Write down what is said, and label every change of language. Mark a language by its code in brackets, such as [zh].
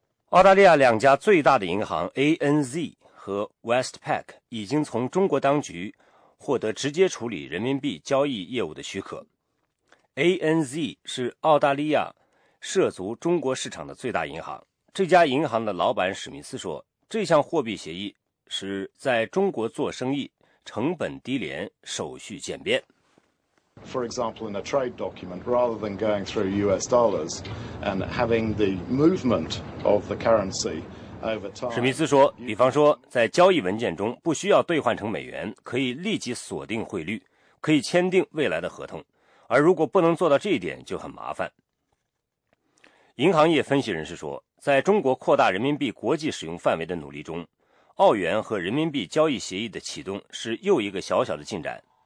[zh] 澳大利亚两家最大的银行 ANZ 和 Westpac 已经从中国当局获得直接处理人民币交易业务的许可。 ANZ 是澳大利亚涉足中国市场的最大银行。这家银行的老板史密斯说，这项货币协议使在中国做生意成本低廉，手续简便。 [en] For example, in a trade document, rather than going through US dollars and having the movement of the currency [zh] 史密斯说，比方说在交易文件中不需要兑换成美元，可以立即锁定汇率，可以签订未来的合同，而如果不能做到这一点就很麻烦。银行业分析人士说，在中国扩大人民币国际使用范围的努力中，澳元和人民币交易协议的启动是又一个小小的进展。